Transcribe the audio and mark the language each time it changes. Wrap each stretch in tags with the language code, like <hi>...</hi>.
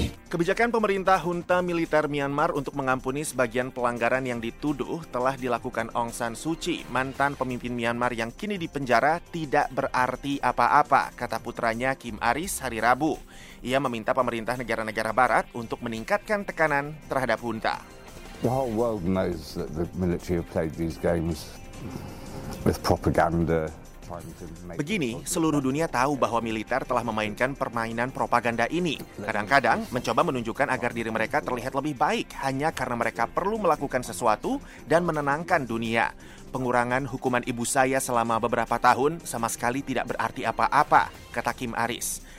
<id>Kebijakan pemerintah junta militer Myanmar untuk mengampuni sebagian pelanggaran yang dituduh telah dilakukan Aung San Suu Kyi, mantan pemimpin Myanmar yang kini dipenjara, tidak berarti apa-apa, kata putranya Kim Aris hari Rabu. Ia meminta pemerintah negara-negara barat untuk meningkatkan tekanan terhadap junta.</id> <en>The whole world knows that the military have played these games with propaganda.</en> <id>Begini, seluruh dunia tahu bahwa militer telah memainkan permainan propaganda ini. Kadang-kadang mencoba menunjukkan agar diri mereka terlihat lebih baik hanya karena mereka perlu melakukan sesuatu dan menenangkan dunia. Pengurangan hukuman ibu saya selama beberapa tahun sama sekali tidak berarti apa-apa, kata Kim Aris.</id>